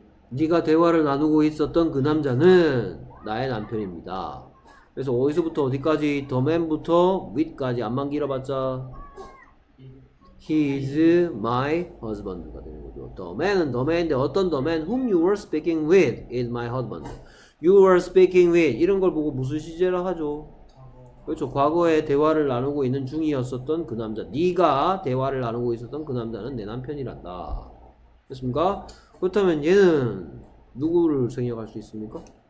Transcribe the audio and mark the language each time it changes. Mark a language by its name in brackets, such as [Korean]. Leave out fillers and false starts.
[Korean] 네가 대화를 나누고 있었던 그 남자는 나의 남편입니다. 그래서 어디서부터 어디까지? 더 맨부터 윗까지 안만 길어봤자 [English] He is my husband [Korean] 가 되는 거죠. 더 맨은 더 맨인데 어떤 더 맨? [English] Whom you were speaking with is my husband. You were speaking with [Korean] 이런 걸 보고 무슨 시제라 하죠? 그렇죠. 과거에 대화를 나누고 있는 중이었었던 그 남자, 네가 대화를 나누고 있었던 그 남자는 내 남편이란다. 됐습니까? 그렇다면 얘는 누구를 생략할 수 있습니까?